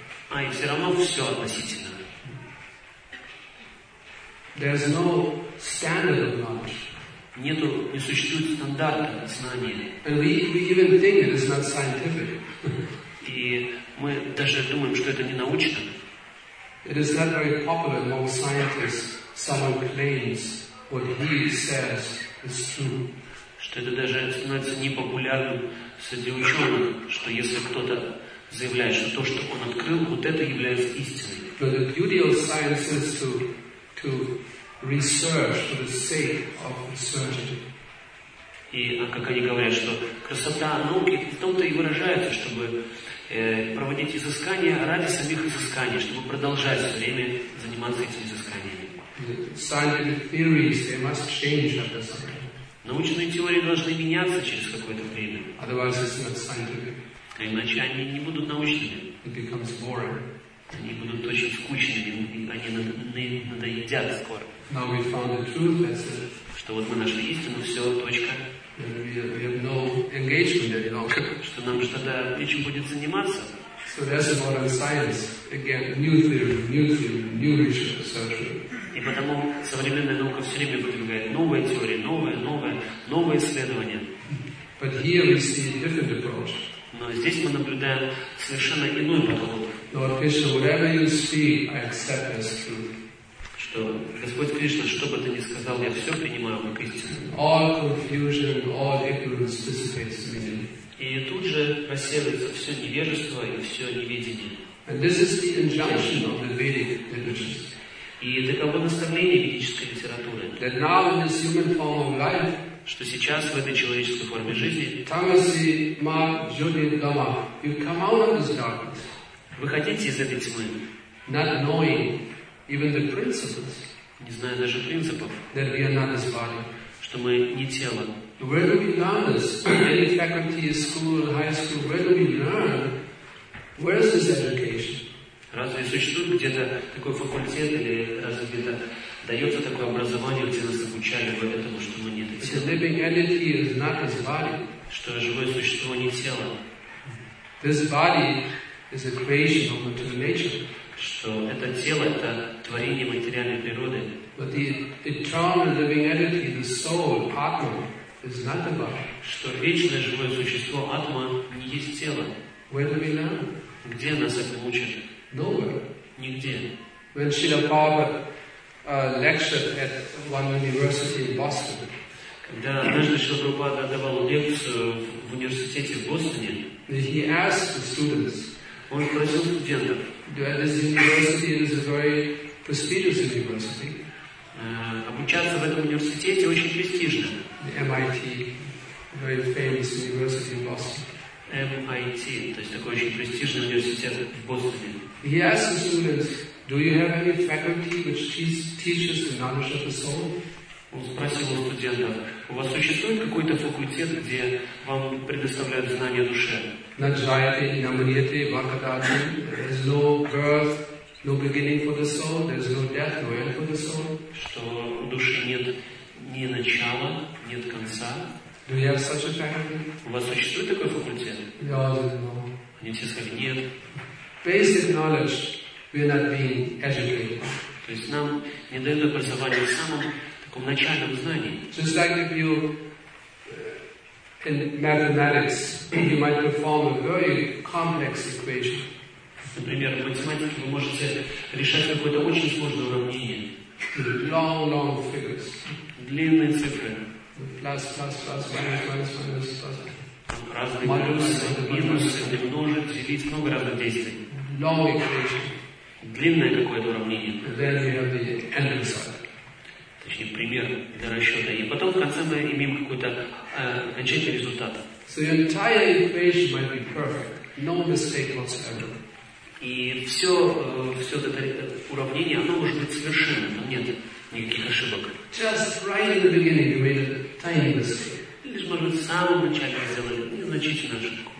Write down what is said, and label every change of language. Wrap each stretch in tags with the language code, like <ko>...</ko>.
<ru>А, и все равно все относительно.</ru> <en>There's no standard of knowledge.</en> <ru>Нету, не существует стандарта знания.</ru> <en>And we even think it is not scientific.</en> <ru>И мы даже думаем, что это не научно.</ru> <en>It is not very popular among scientists. Someone claims what he says is true.</en> <ru>Что это даже становится непопулярным среди ученых, что если кто-то заявляет, что то, что он открыл, вот это является истиной.</ru> <en>But the beauty of science is to research for the sake of researching.</en> <ru>И как они говорят, что красота науки в том-то и выражается, чтобы проводить изыскания ради самих изысканий, чтобы продолжать все время заниматься этими изысканиями.</ru> <en>Scientific theories, they must change after some time.</en> <ru>Научные теории должны меняться через какое-то время.</ru> <en>Otherwise it's not scientific.</en> <ru>А иначе они не будут научными.</ru> <en>It becomes boring.</en> <ru>Они будут очень скучными, они надоедят скоро.</ru> <en>Now we found the truth, that's it.</en> <ru>Что вот мы нашли истину, все, точка.</ru> <en>We have no engagement anymore.</en> <ru>Что нам же тогда нечем будет заниматься.</ru> <en>So that's the modern science. Again, new theory, new research.</en> <ru>И потому современная наука все время выдвигает новые теории, новые исследования.</ru> <en>But here we see a different approach.</en> <ru>Но здесь мы наблюдаем совершенно иной подход.</ru> <en>Lord Krishna, whatever you speak, I accept as truth.</en> <ru>Что Господь Кришна, что бы ты ни сказал, я все принимаю как истину.</ru> <en>All confusion, all ignorance dissipates immediately.</en> <ru>И тут же рассеивается все невежество и все неведение.</ru> <en>And this is the injunction of the Vedic literature.</en> <ru>И таково наставление ведической литературы.</ru> <en>That now in this human form of life,</en> <ru>что сейчас в этой человеческой форме жизни,</ru> <sa>Tamasi, Ma, Jyoti, Dama,</sa> <en>you come out of this darkness.</en> <ru>Выходите из этой тьмы.</ru> <en>Not knowing even the principles.</en> <ru>Не зная даже принципов.</ru> <en>That we are not this body.</en> <ru>Что мы не тело.</ru> <en>Where do we learn this? Any faculty, school, high school, where do we learn? Where is this education?</en> <ru>Разве существует где-то такой факультет, или разве где-то дается такое образование, где нас обучали бы этому, что мы не это тело? Что живое существо не тело?</ru> <en>This body is a creation of material nature.</en> <ru>Что это тело — это творение материальной природы.</ru> <en>But the eternal living entity, the soul, Atman, is not the body.</en> <ru>Что вечное живое существо, Атман, не есть тело.</ru> <en>Where do we learn?</en> <ru>Где нас это учат?</ru> <en>Nowhere.</en> <ru>Нигде.</ru> <en>When Srila Prabhupada lectured at one university in Boston.</en> <ru>Когда однажды Шрила Прабхупада давал лекцию в университете в Бостоне,</ru> <en>he asked the students.</en> <ru>Он спросил студентов.</ru> <en>This university is a very prestigious university.</en> <ru>Обучаться в этом университете очень престижно.</ru> <en>MIT, very famous university in Boston.</en> <ru>MIT, то есть такой очень престижный университет в Бостоне.</ru> <en>He asked the students, "Do you have any faculty which teaches the knowledge of the soul?"</en> <ru>Он спросил у студентов: "У вас существует какой-то факультет, где вам предоставляют знания души?"</ru> <sa>На джайте, на мриете, вакатате.</sa> <en>There's no birth, no beginning for the soul. There's no death, no end for the soul.</en> <ru>Что у души нет ни начала, нет конца.</ru> <en>Do you have such a faculty?</en> <ru>У вас существует такой факультет?</ru> <en>No, no.</en> <ru>Они все сказали: "Нет."</ru> <en>Basic knowledge, we are not being educated.</en> <ru>То есть нам не дают образования в самом таком начальном знании.</ru> <en>Just like if you in mathematics, you might perform a very complex equation.</en> <ru>Например, в математике вы можете решать какое-то очень сложное уравнение.</ru> <en>Long, long figures.</en> <ru>Длинные цифры.</ru> <en>Plus, plus, plus, minus, minus, minus, plus.</en> <ru>Разные плюсы, минусы, умножить, делить, много разных действий.</ru> <en>Long equation.</en> <ru>Длинное какое-то уравнение.</ru> <en>Then we have the end result.</en> <ru>Точнее, пример для расчета. И потом в конце мы имеем какой-то окончательный результат.</ru> <en>So the entire equation might be perfect. No mistake whatsoever.</en> <ru>И все это уравнение, оно может быть совершенно. Там нет никаких ошибок.</ru> <en>Just right in the beginning you made a tiny mistake.</en> <ru>Лишь, может быть, в самом начале сделали незначительную ошибку.</ru>